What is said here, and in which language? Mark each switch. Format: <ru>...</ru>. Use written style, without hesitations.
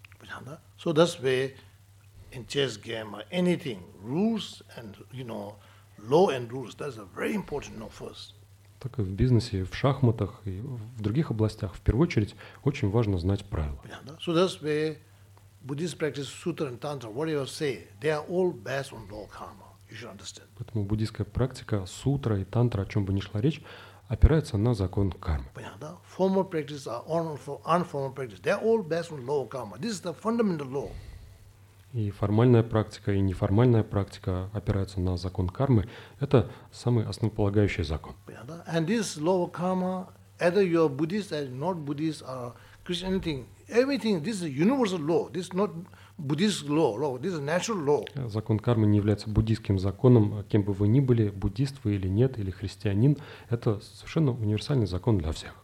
<ru>Понятно?</ru> <en>So that's why in chess game or anything, rules and, you know, law and rules, that's a very important note first.</en> <ru>Так и в бизнесе, и в шахматах, и в других областях, в первую очередь, очень важно знать правила. Понятно?</ru> <en>So that's why Buddhist practice, sutra and tantra, whatever you say, they are all based on law karma. You should understand.</en> <ru>Поэтому буддийская практика, сутра и тантра, о чем бы ни шла речь, опирается на закон кармы. Понятно?</ru> <en>Formal practice or informal practice, they are all based on law karma. This is the fundamental law.</en> <ru>И формальная практика, и неформальная практика опираются на закон кармы. Это самый основополагающий закон. Понятно?</ru> <en>And this law karma, either you are Buddhist or not Buddhist or Christian, anything. Everything, this is a universal law. This is not Buddhist law. This is a natural law.</en> <ru>Закон кармы не является буддийским законом. Кем бы вы ни были, буддист вы или нет, или христианин, это совершенно универсальный закон для всех.</ru>